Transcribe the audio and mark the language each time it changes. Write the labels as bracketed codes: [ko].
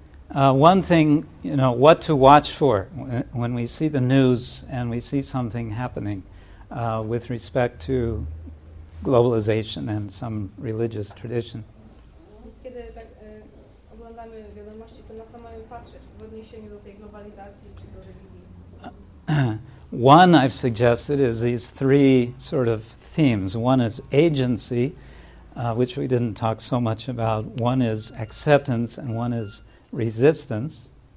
[en] One thing, you know, what to watch for when we see the news and we see something happening with respect to globalization and some religious tradition. [pl] Kiedy oglądamy wiadomości, to na co mamy patrzeć w odniesieniu do tej globalizacji czy do religii? [en] One I've suggested is these three sort of themes. One is agency, which we didn't talk so much about. One is acceptance, and one is resistance.